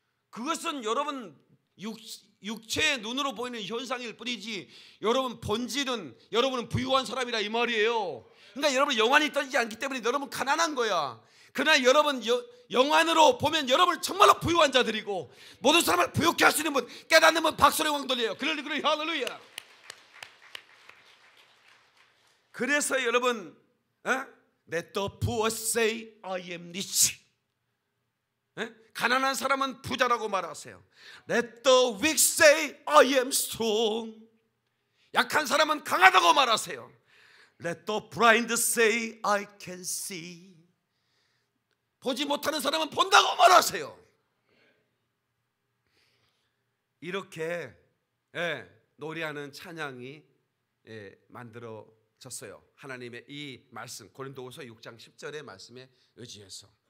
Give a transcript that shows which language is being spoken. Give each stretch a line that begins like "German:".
Korean: 그것은 여러분 육체의 눈으로 보이는 현상일 뿐이지 여러분 본질은 여러분은 부유한 사람이라 이 말이에요. 그러니까 여러분 영안이 떨리지 않기 때문에 여러분 가난한 거야. 그러나 여러분 영안으로 보면 여러분 정말로 부유한 자들이고 모든 사람을 부유케 할 수 있는 분 깨닫는 분 박수를 왕 돌려요. 그럴리 할렐루야. 그래서 여러분
English: Let the poor say I am rich. 에?
Korean: 가난한 사람은 부자라고 말하세요.
English: Let the weak say I am strong.
Korean: 약한 사람은 강하다고 말하세요.
English: Let the blind say I can see.
Korean: 보지 못하는 사람은 본다고 말하세요. 이렇게 예, 노래하는 찬양이 예, 만들어졌어요. 하나님의 이 말씀 고린도후서 6장 10절의 말씀에 의지해서.